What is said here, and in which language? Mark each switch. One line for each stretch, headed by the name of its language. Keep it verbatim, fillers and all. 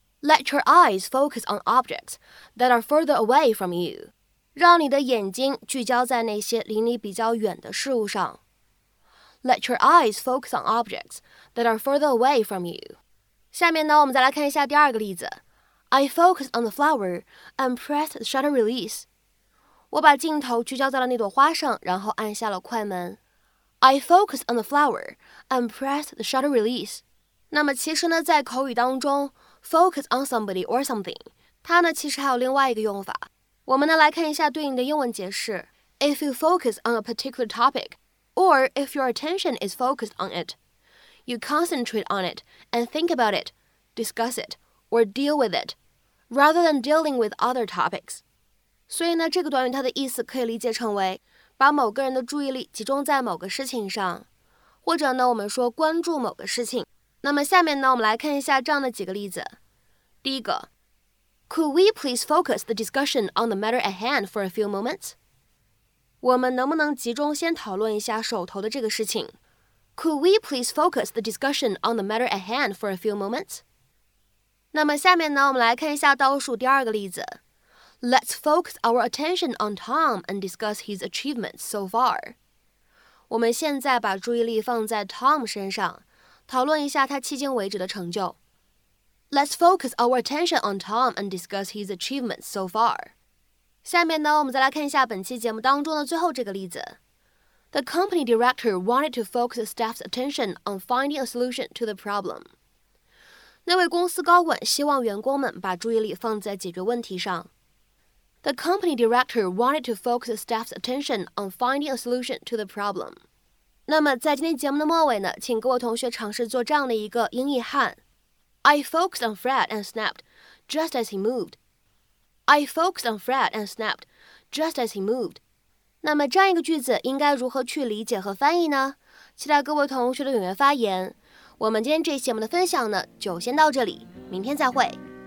English: Let your eyes focus on objects that are further away from you.
Chinese: 让你的眼睛聚焦在那些离你比较远的事物上。
English: Let your eyes focus on objects that are further away from you.
Chinese: 下面呢，我们再来看一下第二个例子。
English: I focused on the flower and pressed the shutter release.
Chinese: 我把镜头聚焦在了那朵花上，然后按下了快门。
English: I focused on the flower and pressed the shutter release.
Chinese: 那么其实呢，在口语当中
English: focus on somebody or something
Chinese: 它呢其实还有另外一个用法。我们呢来看一下对应的英文解释。
English: If you focus on a particular topic, or if your attention is focused on it, you concentrate on it and think about it, discuss it, or deal with it, rather than dealing with other topics.
Chinese: 所以呢，这个短语它的意思可以理解成为把某个人的注意力集中在某个事情上，或者呢我们说关注某个事情。那么下面呢我们来看一下这样的几个例子。第一个
English: Could we please focus the discussion on the matter at hand for a few moments?
Chinese: 我们能不能集中先讨论一下手头的这个事情？
English: Could we please focus the discussion on the matter at hand for a few moments?
Chinese: 那么下面呢我们来看一下倒数第二个例子。
English: Let's focus our attention on Tom and discuss his achievements so far.
Chinese: 我们现在把注意力放在 Tom 身上，讨论一下他迄今为止的成就。
English: Let's focus our attention on Tom and discuss his achievements so far.
Chinese: 下面呢，我们再来看一下本期节目当中的最后这个例子。
English: The company director wanted to focus staff's attention on finding a solution to the problem.
Chinese: 那位公司高管希望员工们把注意力放在解决问题上。
English: The company director wanted to focus staff's attention on finding a solution to the problem.
Chinese: 那么在今天节目的末尾呢，请各位同学尝试做这样的一个英译汉。
English: I focused on Fred and snapped just as he moved. I focused on Fred and snapped just as he moved.
Chinese: 那么这样一个句子应该如何去理解和翻译呢？期待各位同学的踊跃发言。我们今天这一期节目的分享呢，就先到这里，明天再会。